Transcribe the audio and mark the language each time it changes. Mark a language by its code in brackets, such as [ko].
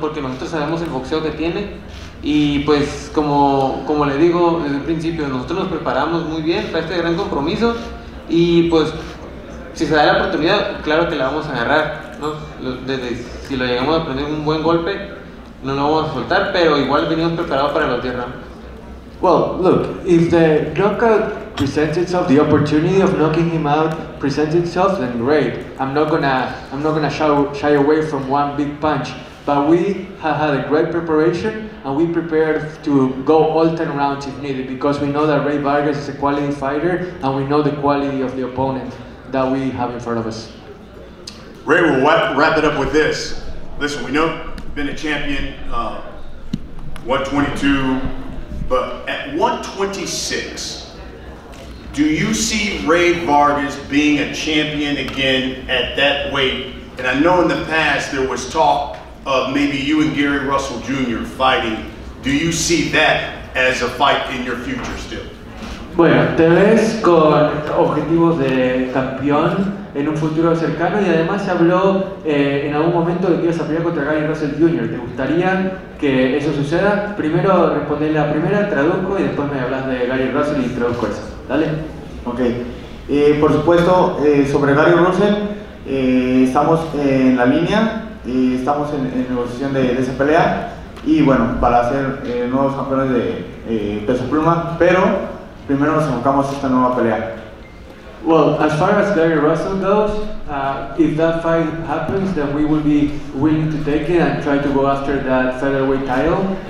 [es] Porque nosotros sabemos el boxeo que tiene. Y pues como le digo desde el principio, nosotros nos preparamos muy bien para este gran compromiso y pues si se da la oportunidad, claro que la vamos a agarrar, ¿no? Si lo llegamos a aprender un buen golpe, no lo vamos a soltar, pero igual venimos preparados para los 10 rounds. [en] Well, look, if the knockout presents itself, the opportunity of knocking him out presents itself, then great. I'm not gonna shy away from one big punch. But we have had a great preparation and we prepared to go all 10 rounds if needed because we know that Ray Vargas is a quality fighter and we know the quality of the opponent that we have in front of us. Ray, we'll wrap it up with this. Listen, we know you've been a champion, 122, but at 126, do you see Ray Vargas being a champion again at that weight? And I know in the past there was talk of maybe you and Gary Russell Jr. fighting. Do you see that as a fight in your future still? [es] Bueno, te ves con objetivos de campeón en un futuro cercano y además se habló en algún momento de que ibas a pelear contra Gary Russell Jr. ¿Te gustaría que eso suceda? Primero respondé la primera, traduzco y después me hablas de Gary Russell y traduzco eso. ¿Dale? [en] Ok. [es] Por supuesto, sobre Gary Russell, estamos en la línea. Y estamos en negociación de esa pelea y bueno, para ser nuevos campeones de peso pluma, pero primero nos enfocamos en esta nueva pelea. [en] Well, as far as Gary Russell goes, if that fight happens, then we will be willing to take it and try to go after that featherweight title.